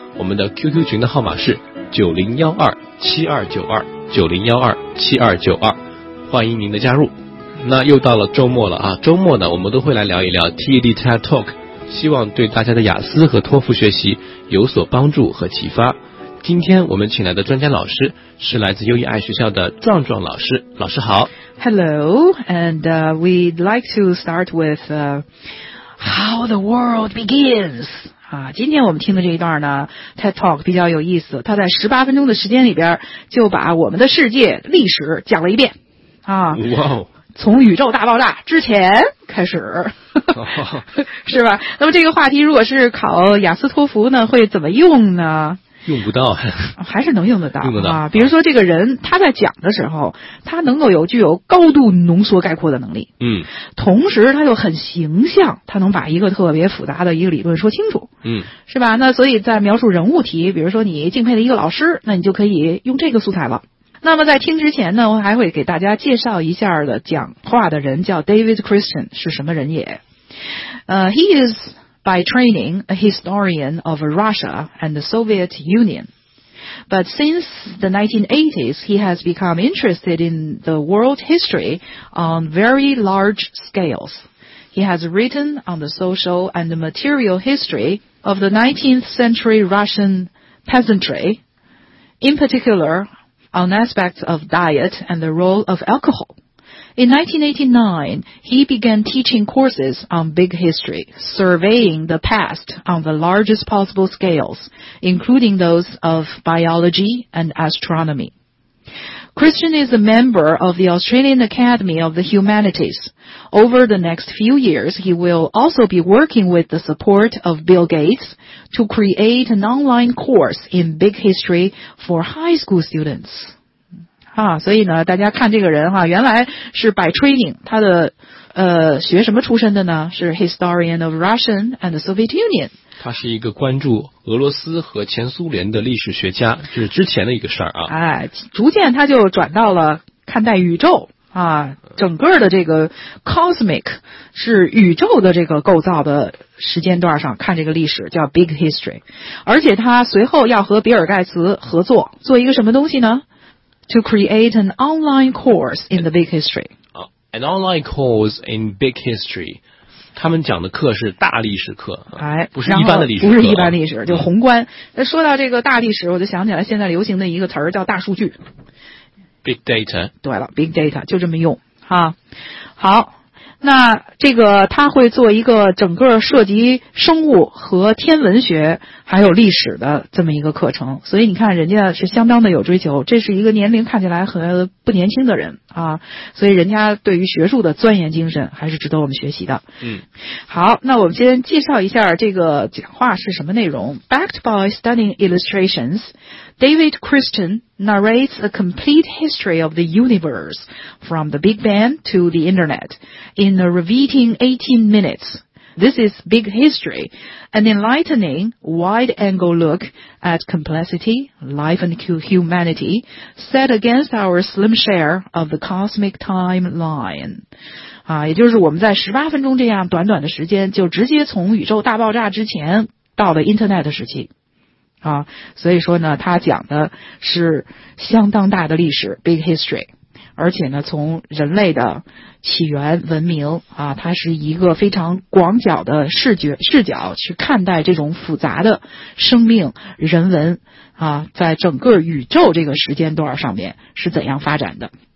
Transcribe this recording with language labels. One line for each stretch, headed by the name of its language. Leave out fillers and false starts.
Chinese: 我们的 QQ 群的号码是9012-7292 9012-7292，欢迎您的加入。那又到了周末了啊，周末呢我们都会来聊一聊 TED TED Talk， 希望对大家的雅思和托福学习有所帮助和启发。今天我们请来的专家老师是来自优衣爱学校的壮壮老师。老师好。
English: Hello, and we'd like to start with how the world begins.
Chinese: 今天我们听的这一段呢 TED Talk 比较有意思，他在18分钟的时间里边就把我们的世界历史讲了一遍。 Wow. 从宇宙大爆炸之前开始。是吧？那么这个话题如果是考雅思托福呢会怎么用呢？用不到，还是能用得到，用得到啊！比如说，这个人他在讲的时候，他能够有具有高度浓缩概括的能力，嗯，同时他又很形象，他能把一个特别复杂的一个理论说清楚，嗯，是吧？那所以在描述人物题，比如说你敬佩的一个老师，那你就可以用这个素材了。那么在听之前呢，我还会给大家介绍一下的讲话的人叫 David Christian， 是什么人也？
English: He is。 By training, a historian of Russia and the Soviet Union. But since the 1980s, he has become interested in the world history on very large scales. He has written on the social and material history of the 19th century Russian peasantry, in particular on aspects of diet and the role of alcohol. In 1989, he began teaching courses on big history, surveying the past on the largest possible scales, including those of biology and astronomy. Christian is a member of the Australian Academy of the Humanities. Over the next few years, he will also be working with the support of Bill Gates to create an online course in big history for high school students.
Chinese: 所以呢大家看这个人哈，原来是
English: by training，
Chinese: 他的学什么出身的呢？是
English: historian of Russian and the Soviet Union。
Chinese: 他是一个关注俄罗斯和前苏联的历史学家，就是之前的一个事儿啊。逐渐他就转到了看待宇宙啊，整个的这个 cosmic， 是宇宙的这个构造的时间段上看这个历史，叫 big history。而且他随后要和比尔盖茨合作，做一个什么东西呢？
English: To create an online course in the big history. An online course in big history.
Chinese: 他们讲的课是大历史课，不是一般的历史课，不是一般历史，就宏观。那说到这个大历史，我就想起来现在流行的一个词儿叫大数据。
English: Big data.
Chinese: 对了 ，big data 就这么用哈。好，那这个他会做一个整个涉及生物和天文学还有历史的这么一个课程，所以你看人家是相当的有追求，这是一个年龄看起来很不年轻的人啊，所以人家对于学术的钻研精神还是值得我们学习的。嗯，好，那我们先介绍一下这个讲话是什么内容。
English: Backed by stunning illustrations, David Christian narrates a complete history of the universe from the Big Bang to the Internet in a riveting 18 minutes. This is big history, an enlightening wide-angle look at complexity, life and humanity set against our slim share of the cosmic timeline.
Chinese: 也就是我们在18分钟这样短短的时间就直接从宇宙大爆炸之前到了 Internet 时期。所以说呢他讲的是相当大的历史 big history。而且呢从人类的起源文明啊，它是一个非常广角的视角去看待这种复杂的生命人文啊，在整个宇宙这个时间段上面是怎样发展的。